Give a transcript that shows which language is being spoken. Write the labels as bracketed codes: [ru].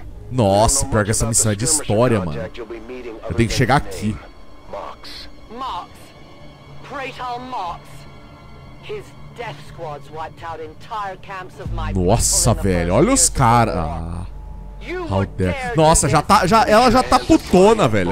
[pt] Nossa, pior que essa missão é de história, mano. Eu tenho que chegar aqui. [en] Mox. Mox. Praetor Mox. His death squads wiped out entire camps of my people. [pt] Nossa, velho, olha os caras. Nossa, já tá, já, ela já tá putona, velho.